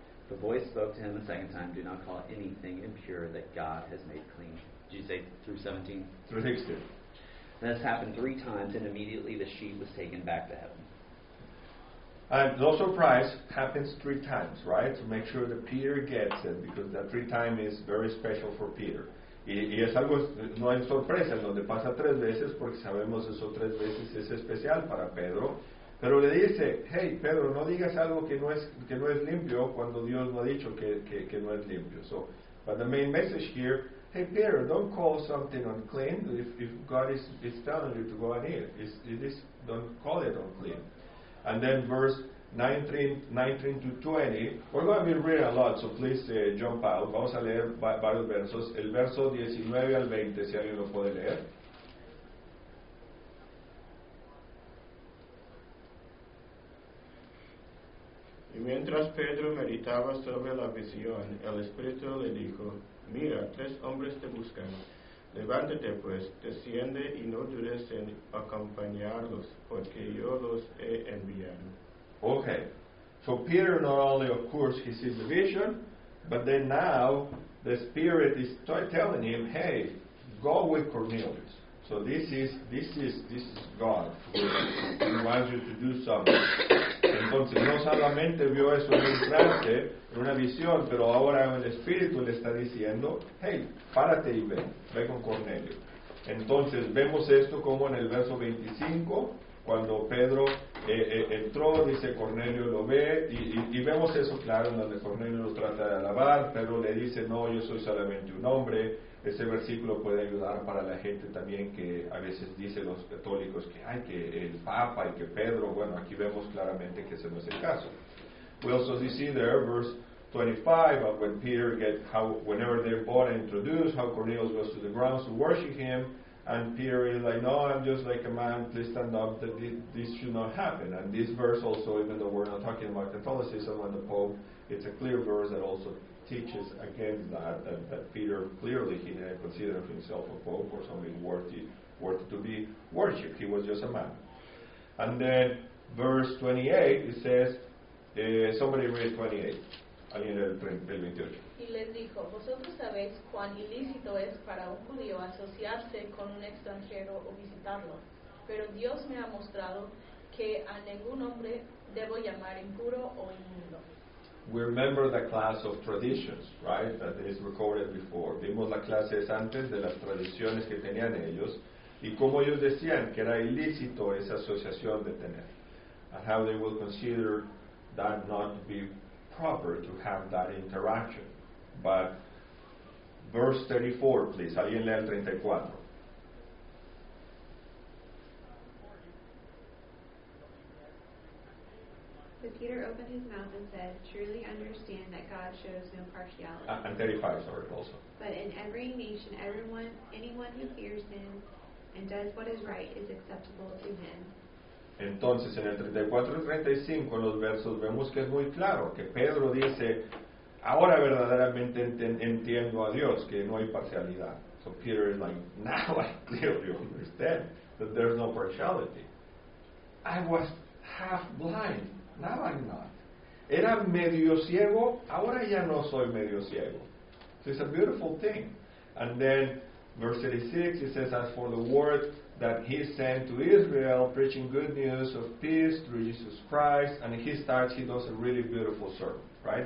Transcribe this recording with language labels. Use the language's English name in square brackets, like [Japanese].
[English] The voice spoke to him a second time, do not call anything impure that God has made clean. Did you say through 17? Through 16. And this happened three times, and immediately the sheep was taken back to heaven. And no surprise, happens three times, right? So make sure that Peter gets it, because that three time is very special for Peter. [Spanish] Y es algo, no es sorpresa, en donde pasa tres veces, porque sabemos eso tres veces es especial para Pedro. Pero le dice, hey, Pedro, no digas algo que no es limpio cuando Dios no ha dicho que no es limpio. [English] So, but the main message here, hey, Peter, don't call something unclean if God is telling you to go and eat. Don't call it unclean. And then verse 19 to 20, we're going to be reading a lot, so please jump out. [Spanish] Vamos a leer varios versos. El verso 19 al 20, si alguien lo puede leer. Y mientras Pedro meditaba sobre la visión, el Espíritu le dijo, mira, tres hombres te buscan. Levántate pues, desciende y no dudes en acompañarlos, porque yo los he enviado. [English] Okay, so Peter not only, of course, he sees the vision, but then now the Spirit is telling him, hey, go with Cornelius. So this is God. He wants you to do something. [Spanish] Entonces, no solamente vio eso en un trance, en una visión, pero ahora el Espíritu le está diciendo, hey, párate y ve con Cornelio. Entonces, vemos esto como en el verso 25, cuando Pedro entró, dice Cornelio lo ve, y vemos eso claro, donde Cornelio lo trata de alabar, Pedro le dice, no, yo soy solamente un hombre. Ese versículo puede ayudar para la gente también que a veces dice los católicos que hay que el Papa y que Pedro. Bueno, aquí vemos claramente que ese no es el caso. [English] We also see there, verse 25, about when Peter get, how whenever they're born and introduced, how Cornelius goes to the ground to worship him, and Peter is like, no, I'm just like a man, please stand up, that this should not happen. And this verse also, even though we're not talking about Catholicism and the Pope, it's a clear verse that also teaches against that Peter clearly he didn't consider himself a pope or something worthy to be worshipped. He was just a man. And then verse 28, it says, somebody read 28. [Spanish] Alguien del 28. Y les dijo, vosotros sabéis cuán ilícito es para un judío asociarse con un extranjero o visitarlo. Pero Dios me ha mostrado que a ningún hombre debo llamar impuro o inmundo. [English] We remember the class of traditions, right, that is recorded before. [Spanish] Vimos las clases antes de las tradiciones que tenían ellos, y como ellos decían que era ilícito esa asociación de tener, [English] and how they would consider that not to be proper to have that interaction. But verse 34, please, [Spanish] alguien lea el 34. [English] But Peter opened his mouth and said, truly understand that God shows no partiality. And 35, sorry, also. But in every nation, anyone who fears him and does what is right is acceptable to him. [Spanish] Entonces, en el 34 y 35, en los versos, vemos que es muy claro que Pedro dice, ahora verdaderamente entiendo a Dios, que no hay parcialidad. [English] So Peter is like, now I clearly understand that there's no partiality. I was half blind, now I'm not. [Spanish] Era medio ciego, ahora ya no soy medio ciego. [English] So it's a beautiful thing. And then verse 36, it says, as for the word that he sent to Israel, preaching good news of peace through Jesus Christ, and he does a really beautiful sermon, right?